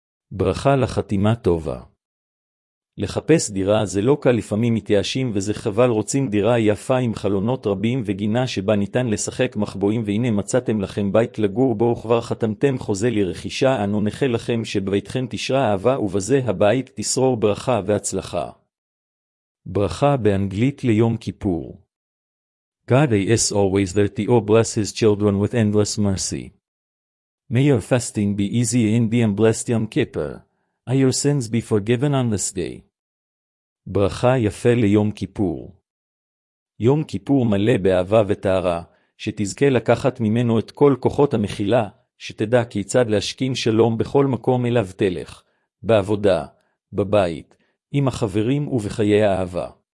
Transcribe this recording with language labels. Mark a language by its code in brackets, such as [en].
[he] ברכה לחתימה טובה. לחפש דירה זה לא קל, לפעמים מתייאשים וזה חבל, רוצים דירה יפה עם חלונות רבים וגינה שבה ניתן לשחק מחבואים, והנה מצאתם לכם בית לגור בו, כבר חתמתם חוזה לרכישה, אנו נחל לכם שבביתכם תשרה אהבה ובזה הבית תשרור ברכה והצלחה. ברכה באנגלית ליום כיפור. [en] God is always there to bless his children with endless mercy. May your fasting be easy and be blessed Yom Kippur. May your sins be forgiven on this day. [he] ברכה יפה ליום כיפור. יום כיפור מלא באהבה וטהרה, שתזכה לקחת ממנו את כל כוחות המחילה, שתדע כיצד להשכין שלום בכל מקום אליו תלך, בעבודה, בבית, עם החברים ובחיי האהבה.